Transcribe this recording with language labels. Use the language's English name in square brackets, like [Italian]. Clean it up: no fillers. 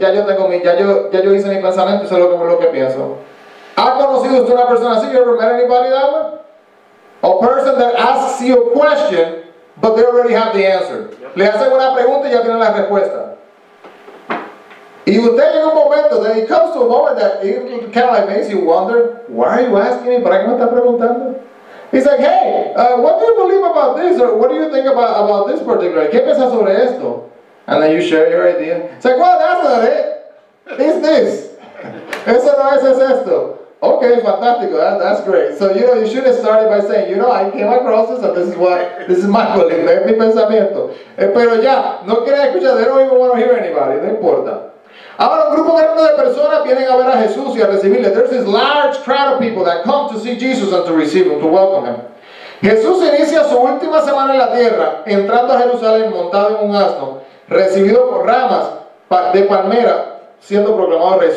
[Spanish] Ya yo hice mi pensamiento, eso es lo que pienso. ¿Ha conocido usted una persona así? [English] You ever met anybody that way? A person that asks you a question, but they already have the answer. Yep. [Spanish] Le hacen una pregunta y ya tienen la respuesta. Y usted en un momento, [English] then it comes to a moment that it kind of like makes you wonder, why are you asking me? [Spanish] ¿Para qué me está preguntando? [English] He's like, hey, what do you believe about this? Or what do you think about this particular? [Spanish] ¿Qué piensas sobre esto? [English] And then you share your idea. It's like, well, that's not it. It's this. [Spanish] Eso no es, es esto. Okay, fantástico. [English] That's great. So, you know, you should have started by saying, you know, I came across this, and this is my belief. [Spanish] Es mi pensamiento. Pero ya, no quieren escuchar. [English] They don't even want to hear anybody. [Spanish] No importa. Ahora un grupo grande de personas vienen a ver a Jesús y a recibirle. [English] There's this large crowd of people that come to see Jesus and to receive him, to welcome him. [Spanish] Jesús inicia su última semana en la tierra, entrando a Jerusalén montado en un asno, recibido por ramas de palmera, siendo proclamado rey.